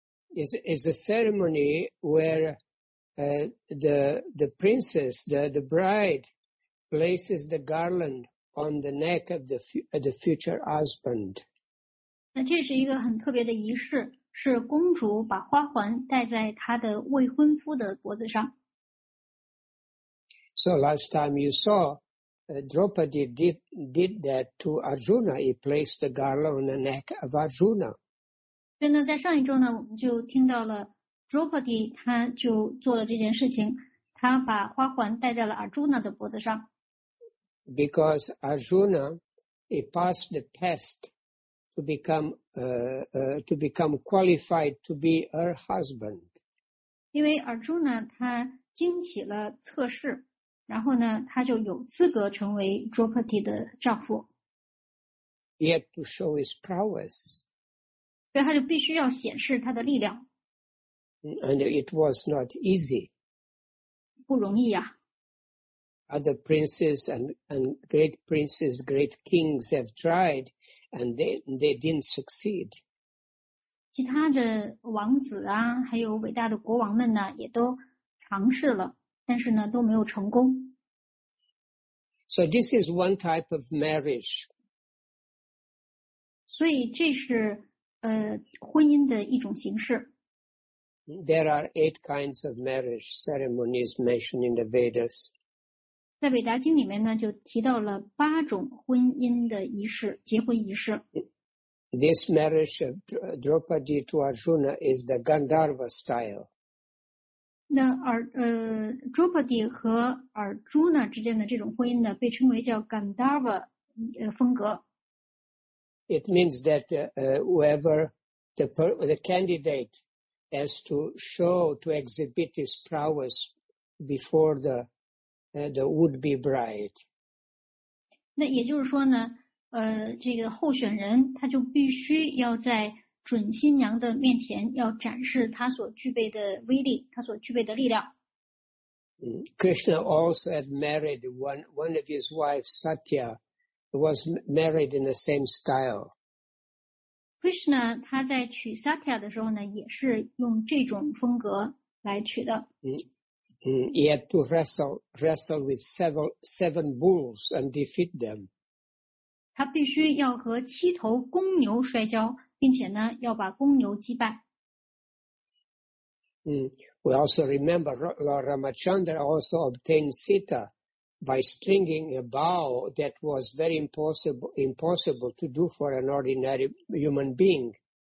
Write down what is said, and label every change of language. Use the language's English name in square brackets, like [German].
[English] It's a ceremony where the princess, the bride, places the garland on the neck of the future husband. [Chinese] 那这是一个很特别的仪式，是公主把花环戴在她的未婚夫的脖子上。 [English] So last time you saw, Draupadi did that to Arjuna. He placed the garland on the neck of Arjuna. [Chinese] 所以呢，在上一周呢，我们就听到了 Draupadi 他就做了这件事情，他把花环戴在了 Arjuna 的脖子上。 [English] Because Arjuna, he passed the test. To become qualified to be her husband. Because Arjuna, he [Chinese] 经起了测试，然后呢，他就有资格成为 Draupadi 的丈夫。 [English] He had to show his prowess. [Chinese] 所以他就必须要显示他的力量。 [English] And it was not easy. [Chinese] 不容易呀。 [English] Other princes and great princes, great kings have tried. And they didn't succeed. [Chinese] 其他的王子啊，还有伟大的国王们呢，也都尝试了，但是呢，都没有成功。 [English] So this is one type of marriage. [Chinese] 所以这是婚姻的一种形式。 [English] There are 8 kinds of marriage ceremonies mentioned in the Vedas. [Chinese] 在韦达经里面呢，就提到了八种婚姻的仪式，结婚仪式。 [English] This marriage of Draupadi to Arjuna is the Gandharva style. [Chinese] 那Draupadi 和 Arjuna 之间的这种婚姻呢，被称为叫 Gandharva 风格。 [English] It means that whoever the candidate has to show to exhibit his prowess before the would-be bride. [Chinese] 那也就是说呢，这个候选人他就必须要在准新娘的面前要展示他所具备的威力，他所具备的力量。 [English] Krishna also had married one of his wives, Satya, was married in the same style. [Chinese] Krishna, 他在娶 Satya 的时候呢，也是用这种风格来娶的。 [English] He had to wrestle with seven bulls and defeat them. [Chinese] 他必须要和七头公牛摔跤，并且呢，要把公牛击败。 [English] We also remember Lord Ramachandra also obtained Sita by stringing a bow that was very impossible to do for an ordinary human being.